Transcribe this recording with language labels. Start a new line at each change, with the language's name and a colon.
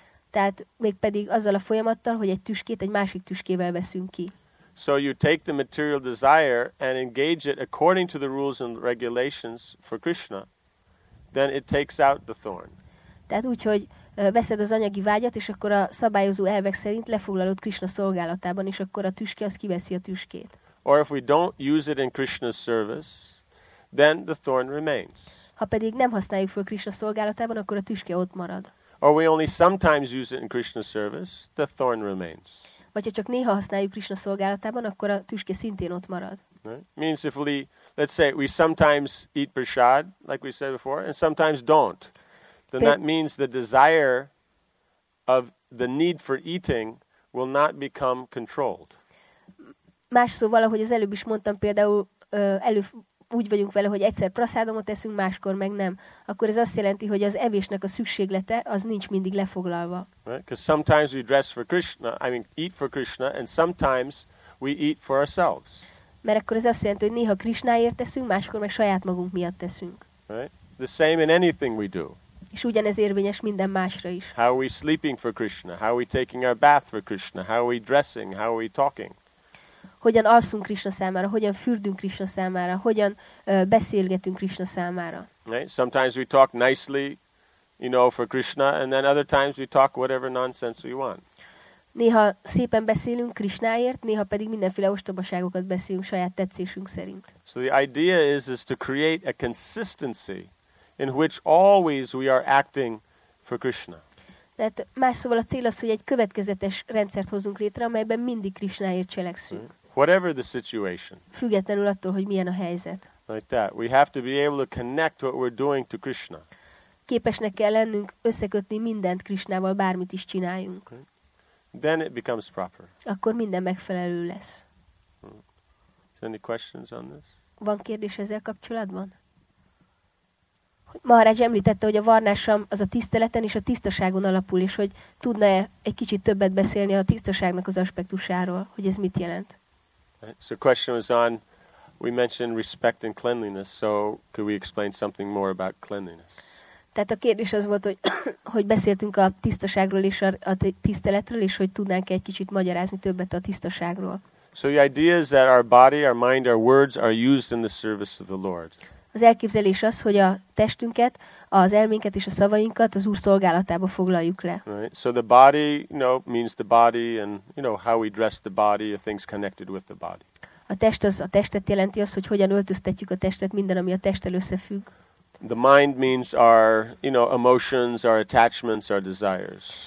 Hungarian: Tehát mégpedig azzal a folyamattal, hogy egy tüskét egy másik tüskével veszünk ki.
English: So you take the material desire and engage it according to the rules and regulations for Krishna, then it takes out the thorn.
Hungarian: Tehát úgy, hogy veszed az anyagi vágyat, és akkor a szabályozó elvek szerint lefoglalod Krishna szolgálatában, és akkor a tüske az kiveszi a tüskét.
English: Or if we don't use it in Krishna's service, then the thorn remains.
Hungarian: Ha pedig nem használjuk föl Krishna szolgálatában, akkor a tüske ott marad.
English: Or we only sometimes use it in Krishna's service, the thorn remains.
Hungarian: Vagy ha csak néha használjuk Krishna szolgálatában, akkor a tüske szintén ott marad.
English: Right? Means if we, let's say, we sometimes eat prasad, like we said before, and sometimes don't, then that means the desire of the need for eating will not become controlled.
Hungarian: Más szóval, ahogy az előbb is mondtam, például úgy vagyunk vele, hogy egyszer praszádomot eszünk, máskor meg nem. Akkor ez azt jelenti, hogy az evésnek a szükséglete az nincs mindig lefoglalva.
English: Right? Because sometimes we dress for Krishna, I mean eat for Krishna, and sometimes we eat for ourselves.
Hungarian: Mert akkor ez azt jelenti, hogy néha Krishnáért eszünk, máskor meg saját magunk miatt eszünk.
English: Right? The same in anything we do.
Hungarian: És ugyanez érvényes minden másra is.
English: How are we sleeping for Krishna? How are we taking our bath for Krishna? How are we dressing? How are we talking?
Hungarian: Hogyan alszunk Krishna számára, hogyan fürdünk Krishna számára, hogyan beszélgetünk Krishna számára.
English: Right? Sometimes we talk nicely, you know, for Krishna, and then other times we talk whatever nonsense we want.
Hungarian: Néha szépen beszélünk Krishnáért, néha pedig mindenféle ostobaságokat beszélünk saját tetszésünk szerint.
English: So the idea is to create a consistency in which always we are acting for Krishna.
Hungarian: Tehát más szóval a cél az, hogy egy következetes rendszert hozunk létre, amelyben mindig Krishnáért cselekszünk.
English: Whatever the situation.
Hungarian: Függetlenül attól, hogy milyen a helyzet.
English: Like that. We have to be able to connect what we're doing to Krishna.
Hungarian: Képesnek kell lennünk összekötni mindent Krishnával, bármit is csináljunk.
English: Okay. Then it becomes proper.
Hungarian: Akkor minden megfelelő lesz.
English: Is there any questions on this?
Hungarian: Van kérdés ezzel kapcsolatban? Maharaj említette, hogy a varnásam az a tiszteleten és a tisztaságon alapul, és hogy tudna egy kicsit többet beszélni a tisztaságnak az aspektusáról, hogy ez mit jelent.
English: So the question was on, we mentioned respect and cleanliness, so could we explain something more about cleanliness?
Hungarian: Tehát a kérdés az volt, hogy beszéltünk a tisztaságról és a tiszteletről, és hogy tudnánk egy kicsit magyarázni többet a tisztaságról.
English: So the idea is that our body, our mind, our words are used in the service of the Lord.
Hungarian: Az elképzelés az, hogy a testünket, az elménket és a szavainkat az Úr szolgálatába foglaljuk le.
English: Right. So the body, you know, means the body and, you know, how we dress the body, things connected with the body.
Hungarian: A test az a testet jelenti, az, hogy hogyan öltöztetjük a testet, minden, ami a testtel összefügg.
English: The mind means our, you know, emotions, our attachments, our desires.